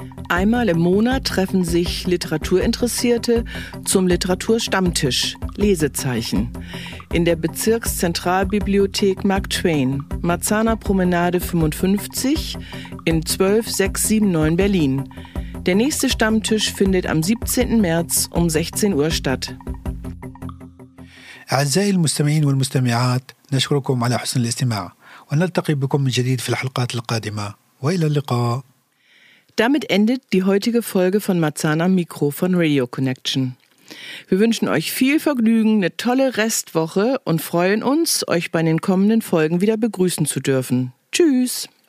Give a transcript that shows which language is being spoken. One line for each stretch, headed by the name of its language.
German: Einmal im Monat treffen sich Literaturinteressierte zum Literaturstammtisch Lesezeichen in der Bezirkszentralbibliothek Mark Twain, Marzahner Promenade 55 in 12679 Berlin. Der nächste Stammtisch findet am 17. März um 16 Uhr statt.
Arabic: أعزائي المستمعين والمستمعات نشكركم على حسن الاستماع ونلتقي بكم من جديد في الحلقات القادمة وإلى اللقاء.
German: Damit endet die heutige Folge von Marzahn am Mikro von Radio Connection. Wir wünschen euch viel Vergnügen, eine tolle Restwoche und freuen uns, euch bei den kommenden Folgen wieder begrüßen zu dürfen. Tschüss!